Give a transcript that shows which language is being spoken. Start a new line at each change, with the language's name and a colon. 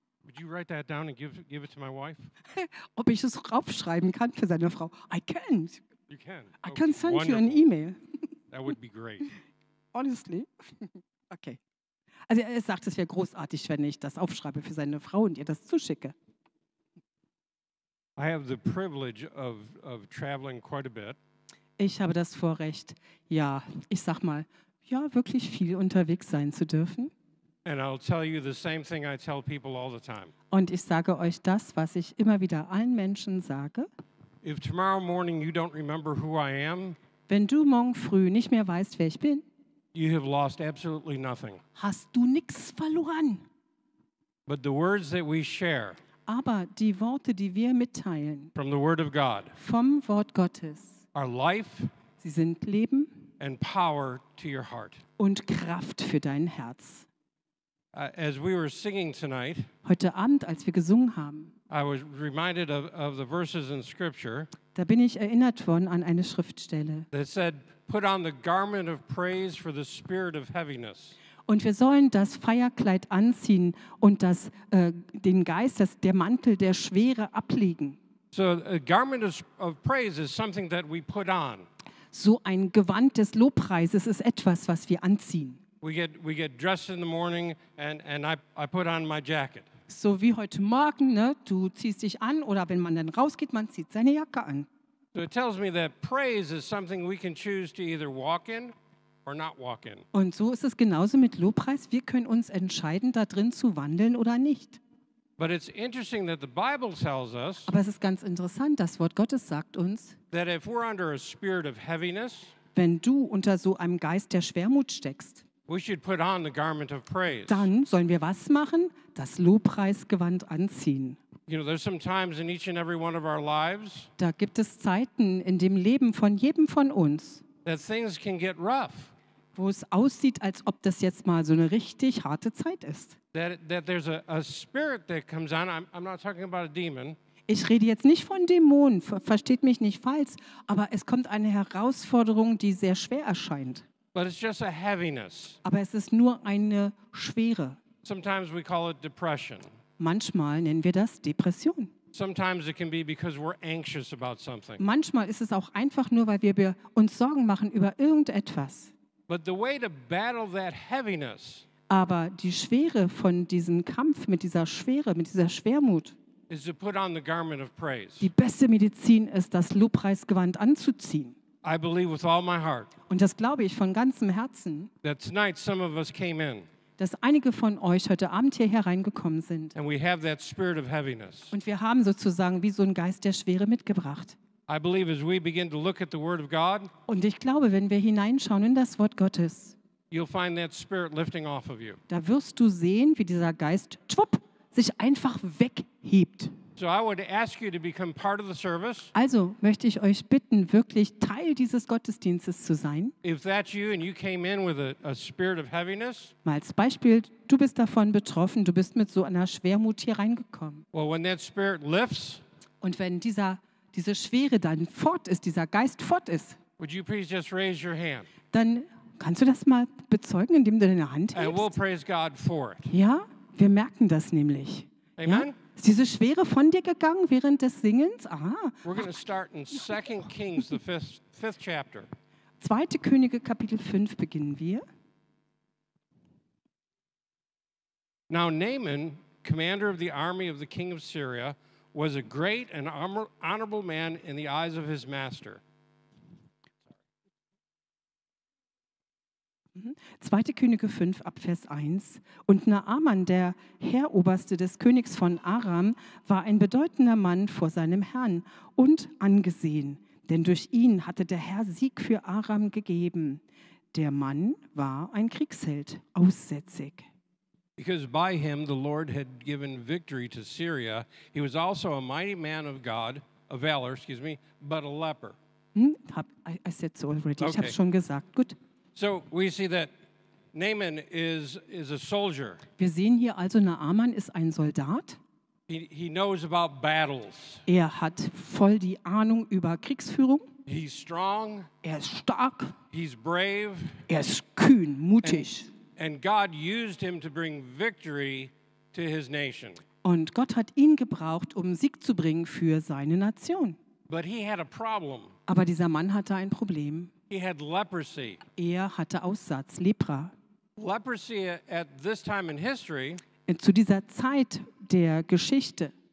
English: Would you write that down and give it to my wife?
German: Ob ich es aufschreiben kann für seine Frau?
English: I can. You can. I can send you an email. That would be great. Honestly. Okay.
German: Also er sagt, es wäre großartig, wenn ich das aufschreibe für seine Frau und ihr das zuschicke.
English: I have the privilege of traveling quite a bit.
German: Ich habe das Vorrecht, ja, ich sag mal, ja, wirklich viel unterwegs sein zu dürfen.
English: And I'll tell you the same thing I tell people all the time.
German: Und ich sage euch das, was ich immer wieder allen Menschen sage.
English: If tomorrow morning you don't remember who I am,
German: wenn du morgen früh nicht mehr weißt, wer ich bin,
English: you have lost absolutely nothing.
German: Hast du nichts verloren.
English: But the words that we share,
German: aber die Worte, die wir mitteilen,
English: from the word of God,
German: vom Wort Gottes,
English: are life,
German: sie sind Leben,
English: and power to your heart,
German: und Kraft für dein Herz.
English: As we were singing tonight,
German: heute Abend, als wir gesungen haben,
English: I was reminded of the verses in Scripture,
German: da bin ich erinnert worden an eine Schriftstelle,
English: that said, put on the garment of praise for the spirit of heaviness.
German: Und wir sollen das Feierkleid anziehen und das, den Geist, das, der Mantel der Schwere ablegen.
English: So, a garment of praise is something that we put on.
German: So ein Gewand des Lobpreises ist etwas, was wir anziehen.
English: We get dressed in the morning and I put on my jacket.
German: So wie heute Morgen, ne? Du ziehst dich an oder wenn man dann rausgeht, man zieht seine Jacke an.
English: So it tells me that praise is something we can choose to either walk in or not walk in.
German: Und so ist es genauso mit Lobpreis. Wir können uns entscheiden, da drin zu wandeln oder nicht.
English: But it's interesting that the Bible tells us,
German: aber es ist ganz interessant, das Wort Gottes sagt uns,
English: that if we're under a spirit of heaviness,
German: wenn du unter so einem Geist der Schwermut steckst,
English: we should put on the garment of praise.
German: Dann sollen wir was machen? Das Lobpreisgewand anziehen.
English: You know, there's some times in each and every one of our lives,
German: da gibt es Zeiten in dem Leben von jedem von uns,
English: that things can get rough,
German: wo es aussieht, als ob das jetzt mal so eine richtig harte Zeit ist.
English: That there's a spirit that comes on. I'm not talking about a demon.
German: Ich rede jetzt nicht von Dämonen, versteht mich nicht falsch, aber es kommt eine Herausforderung, die sehr schwer erscheint.
English: But it's just a heaviness.
German: Aber es ist nur eine Schwere.
English: Sometimes we call it depression.
German: Manchmal nennen wir das Depression.
English: Sometimes it can be because we're anxious about something.
German: Manchmal ist es auch einfach nur, weil wir uns Sorgen machen über irgendetwas.
English: But the way to battle that heaviness,
German: aber die Schwere von diesem Kampf mit dieser Schwere, mit dieser Schwermut,
English: is to put on the garment of praise.
German: Die beste Medizin ist, das Lobpreisgewand anzuziehen.
English: I believe with all my heart,
German: und das glaube ich von ganzem Herzen,
English: that tonight some of us came in,
German: dass einige von euch heute Abend hier hereingekommen sind,
English: and we have that spirit of heaviness,
German: und wir haben sozusagen wie so einen Geist der Schwere mitgebracht.
English: I believe as we begin to look at the word of God,
German: und ich glaube, wenn wir hineinschauen in das Wort Gottes,
English: you'll find that spirit lifting off of you.
German: Da wirst du sehen, wie dieser Geist schwupp, sich einfach weghebt.
English: So I would ask you to become part of the service.
German: Also möchte ich euch bitten, wirklich Teil dieses Gottesdienstes zu sein.
English: If that's you and you came in with a spirit of heaviness,
German: mal als Beispiel, du bist davon betroffen, du bist mit so einer Schwermut hier reingekommen.
English: Well, when that spirit lifts,
German: und wenn diese Schwere dann fort ist, dieser Geist fort ist,
English: would you please just raise your hand?
German: Dann kannst du das mal bezeugen, indem du deine Hand hebst.
English: And we'll praise God for it.
German: Ja, wir merken das nämlich.
English: Amen.
German: Ja? Ist diese Schwere von dir gegangen während des Singens? Aha.
English: We're going to start in 2 Kings, the fifth chapter.
German: 2. Könige, Kapitel 5, beginnen wir.
English: Now Naaman, commander of the army of the king of Syria, was a great and honorable man in the eyes of his master.
German: 2. Könige 5, ab Vers 1. Und Naaman, der Heeroberste des Königs von Aram, war ein bedeutender Mann vor seinem Herrn und angesehen. Denn durch ihn hatte der Herr Sieg für Aram gegeben. Der Mann war ein Kriegsheld, aussätzig.
English: Because by him the Lord had given victory to Syria, he was also a mighty man of God, of valor, excuse me, but a leper. I said so already. Okay.
German: Ich habe schon gesagt. Gut.
English: So we see that Naaman is a soldier.
German: Wir sehen hier also, Naaman ist ein Soldat.
English: He knows about battles.
German: Er hat voll die Ahnung über Kriegsführung.
English: He's strong.
German: Er ist stark.
English: He's brave.
German: Er ist kühn, mutig.
English: And God used him to bring victory to his nation.
German: Und Gott hat ihn gebraucht, um Sieg zu bringen für seine Nation.
English: But he had a problem.
German: Aber dieser Mann hatte ein Problem.
English: He had leprosy.
German: Er hatte Aussatz, Lepra.
English: Leprosy at this time in history,
German: zu dieser Zeit der Geschichte,